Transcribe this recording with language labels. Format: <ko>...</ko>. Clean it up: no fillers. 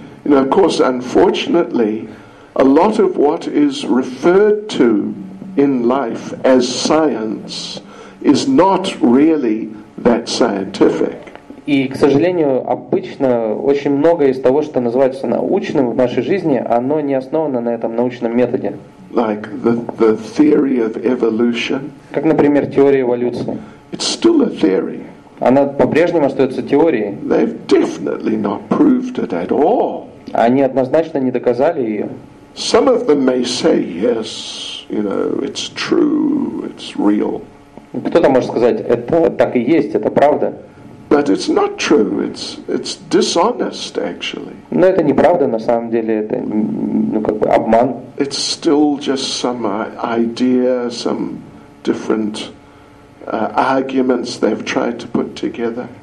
<en>And of course, unfortunately, a lot of what is referred to in life as science is not really that scientific.</en> <ru>И, к сожалению, обычно очень многое из того, что называется научным в нашей жизни, оно не основано на этом научном методе.</ru> <en>Like the theory of evolution.</en> <ru>Как, например, теория эволюции.</ru> <en>It's still a theory.</en> <ru>Она по-прежнему остается теорией.</ru> <en>They've definitely not proved it at all.</en> <ru>Они однозначно не доказали ее.</ru> <en>Some of them may say, yes, you know, it's true, it's real.</en> <ru>Кто-то может сказать, это так и есть, это правда.</ru> <en>But it's not true, it's dishonest, actually.</en> <ru>Но это не правда, на самом деле, это, ну, как бы обман.</ru> <en>It's still just some idea, some different arguments they've tried to put together.</en>